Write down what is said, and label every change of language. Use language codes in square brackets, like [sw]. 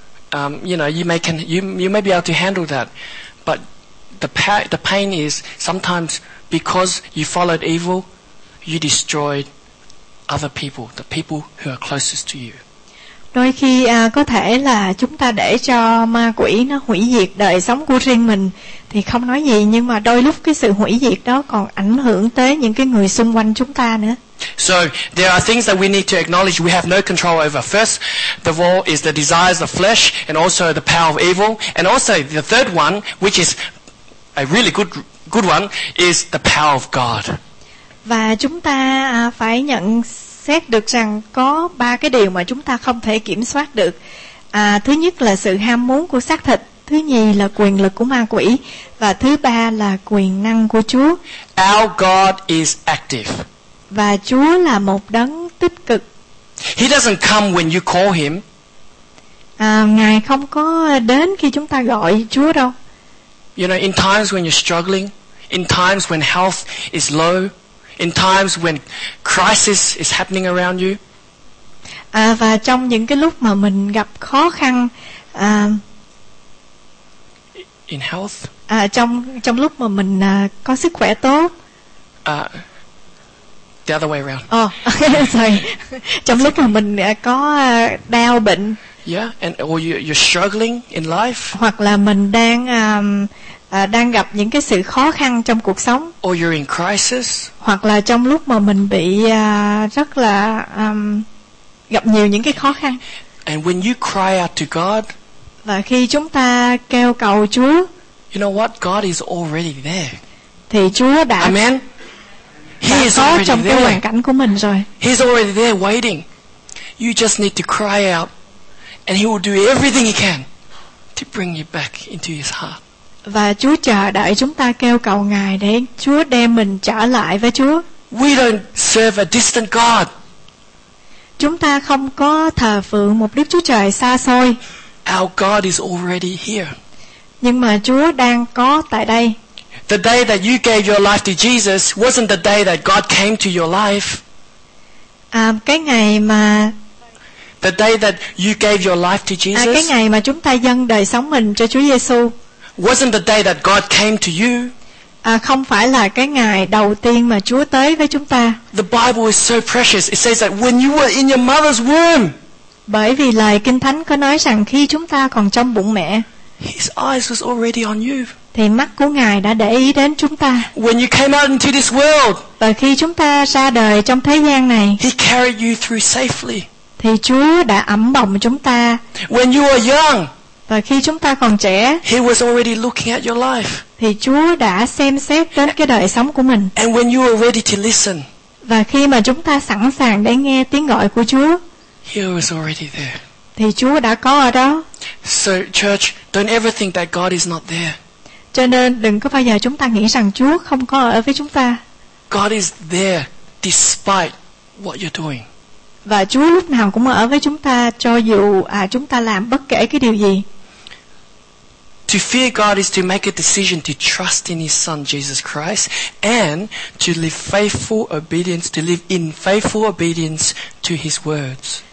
[en] You know, you may be able to handle that. But the pain is sometimes because you followed evil, you destroyed other people, the people who are closest to you. [vi] Đôi khi có thể là chúng ta để cho ma quỷ nó hủy diệt đời sống của riêng mình thì không nói gì, nhưng mà đôi lúc cái sự hủy diệt đó còn ảnh hưởng tới những cái người xung quanh chúng ta nữa. [en] So there are things that we need to acknowledge we have no control over. First, the war is the desires of flesh, and also the power of evil, and also the third one, which is a really good one, is the power of God. [vi] Và chúng ta phải nhận xét được rằng có ba cái điều mà chúng ta không thể kiểm soát được. Thứ nhất là sự ham muốn của xác thịt, thứ nhì là quyền lực của ma quỷ, và thứ ba là quyền năng của Chúa. [en] Our God is active. [vi] Và Chúa là một đấng tích cực. [en] He doesn't come when you call him. [vi] Ngài không có đến khi chúng ta gọi Chúa đâu. [en] You know, in times when you're struggling, in times when health is low, in times when crisis is happening around you. [vi] Và trong những cái lúc mà mình gặp khó khăn [en] in health. [vi] Trong lúc mà mình có sức khỏe tốt. [en] The other way around. sorry. [vi] Trong lúc mà mình có đau bệnh. [en] Yeah, and or you're struggling in life. [vi] Hoặc là mình đang gặp những cái sự khó khăn trong cuộc sống. [en] Or you're in crisis. [vi] Hoặc là trong lúc mà mình bị rất là gặp nhiều những cái khó khăn. [en] And when you cry out to God. [vi] Và khi chúng ta kêu cầu Chúa. [en] You know what? God is already there. [vi] Thì Chúa đã. [en] Amen. He is already there. [vi] Có trong cái hoàn cảnh của mình rồi. [en] He's already there waiting. You just need to cry out, and He will do everything He can to bring you back into His heart. [vi] Và Chúa chờ đợi chúng ta kêu cầu Ngài để Chúa đem mình trở lại với Chúa. [en] We don't serve a distant God. [vi] Chúng ta không có thờ phượng một Đức Chúa Trời xa xôi. [en] Our God is already here. [vi] Nhưng mà Chúa đang có tại đây. [en] The day that you gave your life to Jesus wasn't the day that God came to your life. [vi] Cái ngày mà [en] the day that you gave your life to Jesus. [vi] Cái ngày mà chúng ta dâng đời sống mình cho Chúa Giêsu. [en] Wasn't the day that God came to you? [vi] Không phải là cái ngày đầu tiên mà Chúa tới với chúng ta. [en] The Bible is so precious. It says that when you were in your mother's womb. [vi] Bởi vì lời Kinh Thánh có nói rằng khi chúng ta còn trong bụng mẹ. [en] His eyes was already on you. [vi] Thì mắt của Ngài đã để ý đến chúng ta. [en] When you came out into this world. [vi] Và khi chúng ta ra đời trong thế gian này. [en] He carried you through safely. [vi] Thì Chúa đã ẵm bồng chúng ta. [en] When you were young. [vi] Và khi chúng ta còn trẻ, [en] He was already looking at your life. [vi] Thì Chúa đã xem xét đến cái đời sống của mình. [en] And when you are ready to listen, [vi] và khi mà chúng ta sẵn sàng để nghe tiếng gọi của Chúa, [en] He was already there. [vi] Thì Chúa đã có ở đó. [en] So church, don't ever think that God is not there. [vi] Cho nên đừng có bao giờ chúng ta nghĩ rằng Chúa không có ở với chúng ta. [en] God is there despite what you're doing. [vi] Và Chúa lúc nào cũng ở với chúng ta cho dù chúng ta làm bất kể cái điều gì. [en] To fear God is to make a decision to trust in His Son Jesus Christ and to live faithful obedience, to live in faithful obedience to His words.